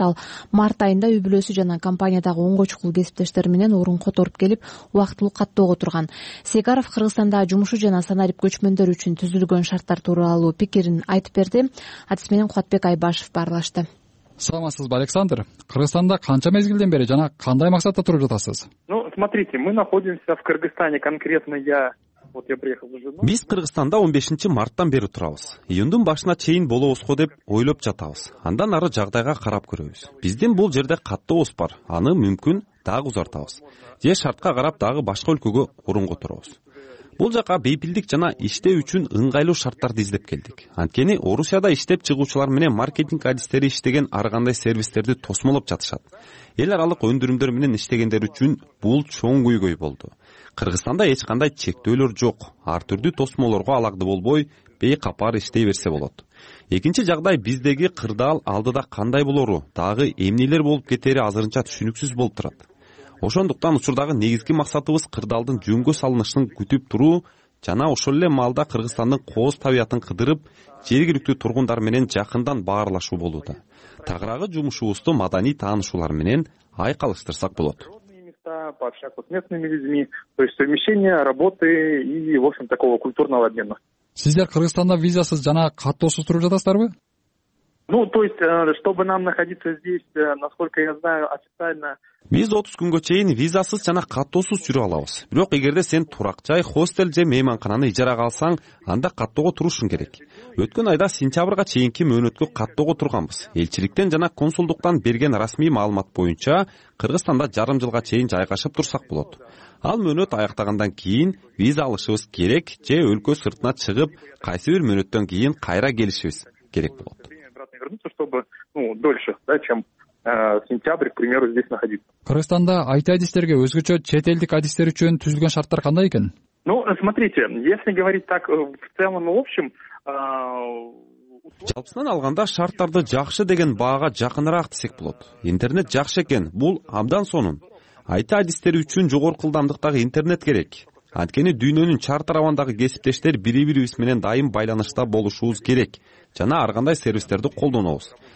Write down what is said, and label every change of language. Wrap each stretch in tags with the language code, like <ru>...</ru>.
<ky>Ал март айында үй бүлөсү жана компаниядагы оңгочкул кесиптештери менен орун которуп келип, убактылуу каттоого отурган. Сейгаров Кыргызстанда жумушу жана санарип көчмөндөр үчүн түзүлгөн шарттар тууралуу пикирин айтып берди. Адис менен Кубатбек Айбашев баарлашты. Саламатсызбы, Александр? Кыргызстанда канча мезгилден бери жана кандай максатта туруп жатасыз?</ky> <ru>Ну, смотрите, мы находимся в Кыргызстане, конкретно я.</ru> <ky>Биз Кыргызстанда 15 марттан бери турабыз. Июндун башына чейин болобузго деп ойлоп жатабыз. Андан ары жагдайга карап көрөбүз. Биздин бул жерде катты оос бар. Аны мүмкүн дагы узартабыз. Же шартка карап дагы башка өлкөгө орун которобуз. Бул жака бейпилдик жана иштөө үчүн ыңгайлуу шарттарды издеп келдик. Анткени Орусияда иштеп чыгуучулар менен маркетинг адистери иштеген ар кандай сервистерди тосмолоп жатышат. Эл аралык өндүрүмдөр менен иштегендер үчүн бул чоң көйгөй болду. Кыргызстанда эч кандай чектөөлөр жок. Ар түрдүү тосмолорго алакты болбой, бейкапар иштей берсе болот. Экинчи жагдай биздеги кырдаал алдыда кандай болору, дагы эмнелер болуп кетери азырынча түшүнүксүз болуп турат. Ошондуктан учурдагы негизги максатыбыз кырдаалдын жөнгө салынышын күтүп туруу жана ошол эле маалда Кыргызстандын кооз табиятын кыдырып, жергиликтүү тургундар менен жакындан баарлашуу болууда. Тагыраагы жумушубузду маданий таанышуулар менен айкалыштырсак болот.</ky> <ru>Пообщаться с местными людьми, то есть совмещение работы и, в общем, такого культурного обмена.</ru> <ky>Сиздер Кыргызстанда визасыз жана каттоосуз туруп жатасыздарбы?</ky> <ru>Ну, то есть, чтобы нам находиться здесь, насколько я знаю, официально...</ru> <ky>Биз 30 күнгө чейин визасыз жана каттоосуз жүрө алабыз. Бирок эгерде сен турак жай, хостел же мейманкананы ижарага алсаң, анда каттоого турушуң керек. Өткөн айда сентябрга чейинки мөөнөткө каттоого турганбыз. Элчиликтен жана консулдуктан берген расмий маалымат боюнча, Кыргызстанда жарым жылга чейин жайгашып турсак болот. Ал мөөнөт аяктагандан кийин виза алышыбыз керек же өлкө сыртына чыгып, кайсы бир мөөнөттөн кийин кайра келишибиз керек болот.</ky> <ru>Сентябрь, к примеру, здесь находиться.</ru> <ky>Кыргызстанда IT-адистерге өзгөчө чет элдик адистер үчүн түзүлгөн шарттар кандай экен?</ky> <ru>Ну, смотрите, если говорить так в целом, в общем,</ru> <ky>жалпысынан алганда шарттарды жакшы деген баага жакыныраак десек болот. Интернет жакшы экен, бул абдан сонун. IT-адистер үчүн жогору кылдамдыктагы интернет керек. Анткени дүйнөнүн чар тарабындагы кесиптештер бири-бирибиз менен дайым байланышта болушубуз керек жана ар кандай сервистерди колдонобуз.</ky>